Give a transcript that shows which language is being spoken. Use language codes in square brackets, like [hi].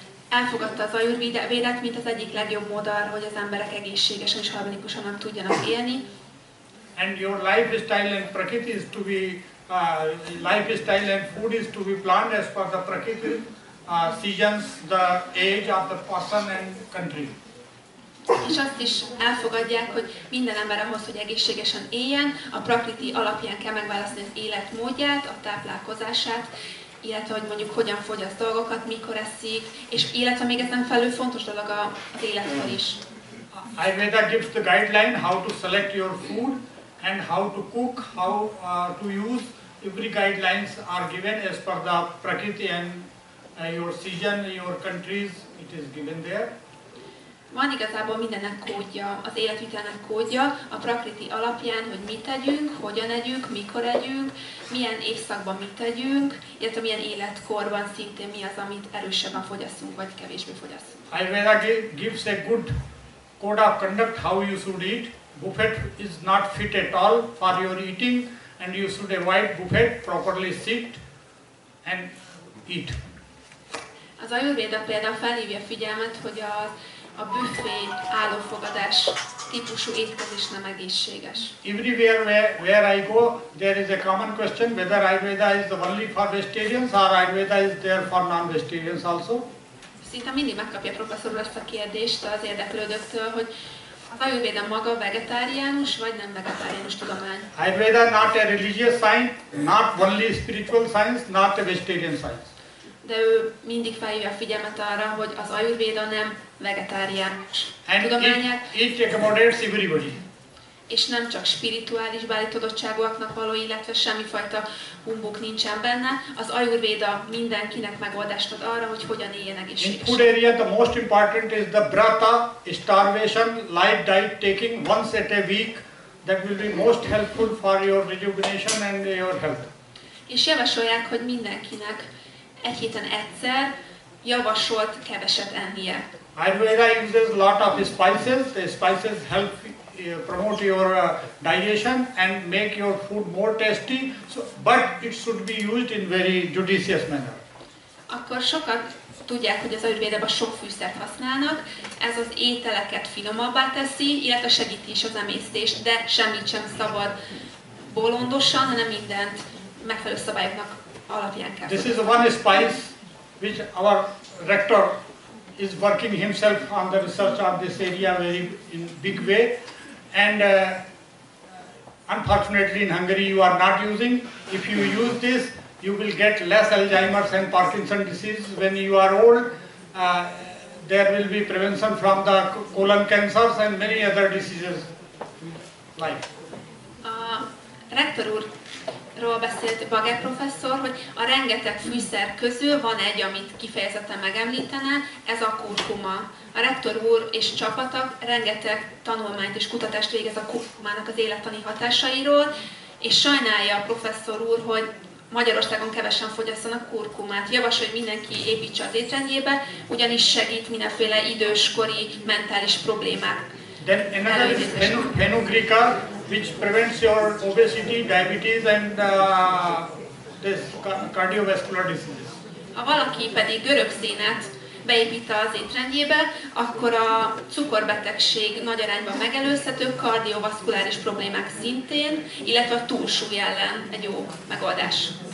[hu] Elfogadta az Ayurvédát, mint az egyik legjobb mód arra, hogy az emberek egészségesen és harmonikusan tudjanak élni. [en] And your lifestyle and prakriti is to be lifestyle and food is to be planned as per the prakriti, seasons, the age of the person and country. [hu] És azt is elfogadják, hogy minden ember ahhoz, hogy egészségesen éljen, a prakriti alapján kell megválasztani az életmódját, a táplálkozását, illetve hogy mondjuk hogyan fogyaszt dolgokat, mikor eszik, és illetve még ez nem felül fontos dolog az életkor is. [en] Ayurveda gives the guideline how to select your food and how to cook, how to use. Every guidelines are given as per the prakriti and your season, your countries, it is given there. [hu] Van igazából mindennek kódja, az életvitelnek kódja, a prakriti alapján, hogy mit tegyünk, hogyan együnk, mikor együnk, milyen évszakban mit tegyünk, illetve milyen életkorban szintén mi az, amit erősebben fogyasztunk, vagy kevésbé fogyasztunk. [en] Ayurveda gives a good code of conduct how you should eat. Buffet is not fit at all for your eating, and you should avoid buffet, properly sit and eat. [hu] Az Ayurveda például felhívja figyelmet, hogy a büfé állófogadás típusú étkezés nem egészséges. [en] Everywhere where I go, there is a common question whether Ayurveda is the only for vegetarians or Ayurveda is there for non-vegetarians also. [hu] Szinte mindig megkapja a professzor ezt a kérdést az érdeklődőktől, hogy az Ayurveda maga vegetáriánus vagy nem vegetáriánus tudomány. [en] Ayurveda not a religious science, not only spiritual science, not a vegetarian science. [hu] De ő mindig felhívja a figyelmet arra, hogy az Ayurveda nem vegetáriánus tudományát. [en] It accommodates everybody. [hu] és nem csak spirituális beállítottságoknak való, illetve semmifajta humbug nincsen benne. Az Ayurveda mindenkinek megoldást ad arra, hogy hogyan éljen egészségesen. [en] In food area, the most important is the brata, starvation, light diet taking once a week. That will be most helpful for your rejuvenation and your health. [hu] És javasolják, hogy mindenkinek egy héten egyszer javasolt keveset ennie. [en] Ayurveda uses lot of spices. The spices help promote your digestion and make your food more tasty. So, but it should be used in very judicious manner. [hu] Akkor sokat tudják, hogy az Ayurvédában sok fűszert használnak. Ez az ételeket finomabbá teszi, illetve segíti is az emésztést, de semmit sem szabad bolondosan, hanem mindent megfelelő szabályoknak alapján kell. [en] This is one spice which our rector is working himself on the research on this area very in big way. And unfortunately in Hungary you are not using. If you use this, you will get less Alzheimer's and Parkinson's disease when you are old. There will be prevention from the colon cancers and many other diseases in life. [hu] Rektor úrról beszélt Baghel professzor, hogy a rengeteg fűszer közül van egy, amit kifejezetten megemlítene, ez a kurkuma. A rektor úr és csapata rengeteg tanulmányt és kutatást végez a kurkumának az élettani hatásairól, és sajnálja a professzor úr, hogy Magyarországon kevesen fogyasszanak kurkumát. Javasol, hogy mindenki építse az étrendjébe, ugyanis segít mindenféle időskori mentális problémák. [en] Then another is fenugreek, which prevents your obesity, diabetes and this cardiovascular diseases. [hu] Ha valaki pedig görögszénet beépít az étrendjébe, akkor a cukorbetegség nagy arányban megelőzhető, kardiovaszkuláris problémák szintén, illetve a túlsúly ellen egy jó megoldás.